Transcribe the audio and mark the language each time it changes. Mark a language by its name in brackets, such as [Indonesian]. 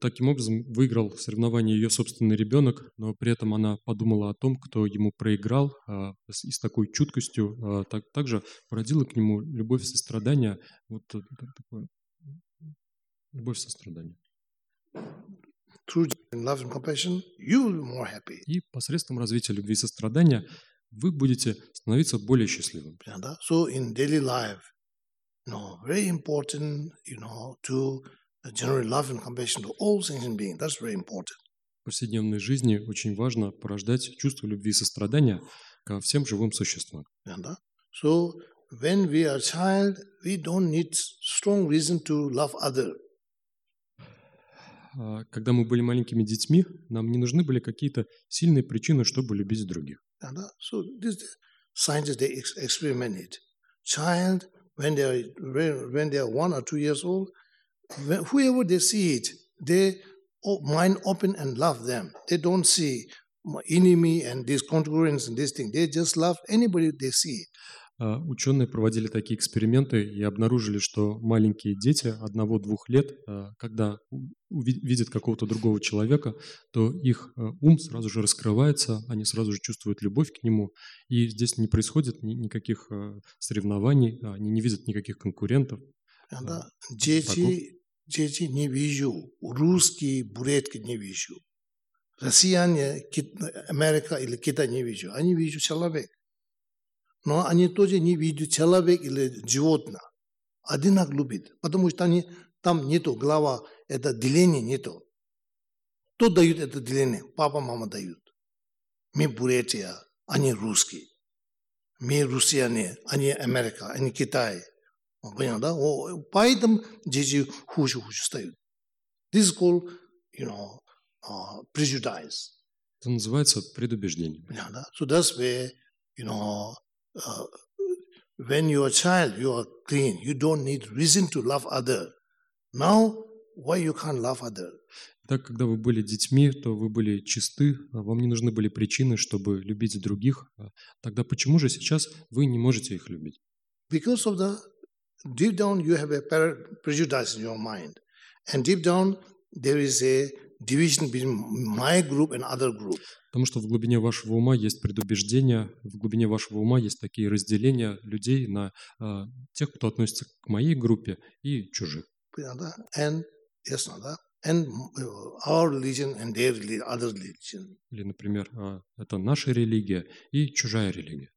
[Russian] Таким образом, выиграл в соревновании ее собственный ребенок, но при этом она подумала о том, кто ему проиграл, и с такой чуткостью также породила к нему любовь и сострадание. Вот такое. Любовь и сострадание. [English] Through love and compassion, you will be more happy. [Russian] И посредством развития любви и сострадания вы будете становиться более счастливым. [English] So in daily life, very important, to generate love and compassion to all sentient beings. That's very important. [Russian] В повседневной жизни очень важно порождать чувство любви и сострадания ко всем живым существам. [English] So when we are a child, we don't need strong reason to love other. [Russian] Когда мы были маленькими детьми, нам не нужны были какие-то сильные причины, чтобы любить других. [English] So this scientists they experimented. Child, when they are 1 or 2 years old, whoever they see it, they mind open and love them. They don't see enemy and these congruence and this thing. They just love anybody they see. [Russian] Ученые проводили такие эксперименты и обнаружили, что маленькие дети 1-2 лет, когда видят какого-то другого человека, то их ум сразу же раскрывается, они сразу же чувствуют любовь к нему, и здесь не происходит никаких соревнований, они не видят никаких конкурентов. Дети не вижу, русские, буретки не вижу, россияне, Америка или Китай не вижу, они вижу человек. Но они тоже не видят человека или животное. Одинаково любят. Потому что они, там нету глава, это деление нету. Кто дает это деление? Папа, мама дают. Мы буретия, они русские. Мы русские, они Америка, они Китай. Понял, да? Поэтому дети хуже стоят. [English] This is called, you know, prejudice. [Russian] Это называется предубеждение. Понял, да? [English] So that's where, you know, when you are a child, you are clean. You don't need reason to love other. Now, why you can't love other? [Russian] Так, когда вы были детьми, то вы были чисты. Вам не нужны были причины, чтобы любить других. Тогда почему же сейчас вы не можете их любить? [English] Because of the deep down, you have a prejudice in your mind, and deep down there is a division between my group and other group. [Russian] Потому что в глубине вашего ума есть предубеждения, в глубине вашего ума есть такие разделения людей на тех, кто относится к моей группе и чужих. Понятно? [English] And yes, no, [Russian] да? [English] And our religion and their religion, other religion. [Russian] Или, например, это наша религия и чужая религия.